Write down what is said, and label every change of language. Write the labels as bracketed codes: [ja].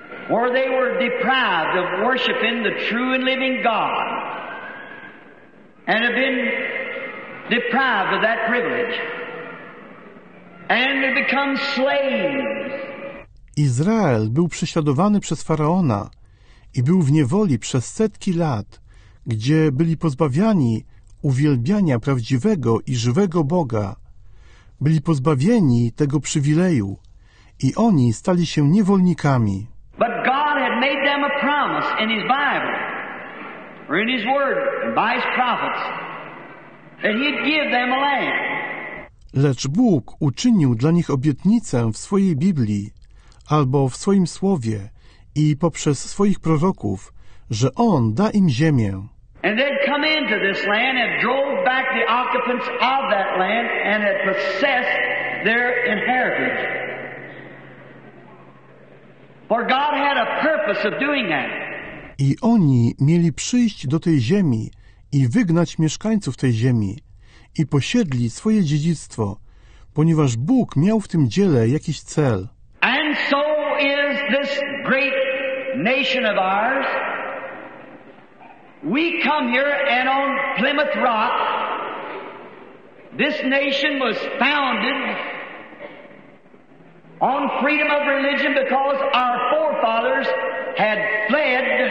[en] Or they were deprived of worshiping the true and living God. and have been deprived of that privilege and have become slaves. [pl] Izrael był prześladowany przez faraona i był w niewoli przez setki lat, gdzie byli pozbawiani uwielbiania prawdziwego i żywego Boga. Byli pozbawieni tego przywileju i oni stali się niewolnikami. [en] But God had made them a promise in His Bible, or in His Word, by His prophets, that He'd give them a land. [pl] Lecz Bóg uczynił dla nich obietnicę w swojej Biblii, albo w swoim Słowie i poprzez swoich proroków, że On da im ziemię. [en] And they'd come into this land and drove back the occupants of that land and had possessed their inheritance. For God had a purpose of doing that. [pl] I oni mieli przyjść do tej ziemi i wygnać mieszkańców tej ziemi i posiedli swoje dziedzictwo, ponieważ Bóg miał w tym dziele jakiś cel. [en] And so is this great nation of ours. We come here and on Plymouth Rock, this nation was founded on freedom of religion because our forefathers had fled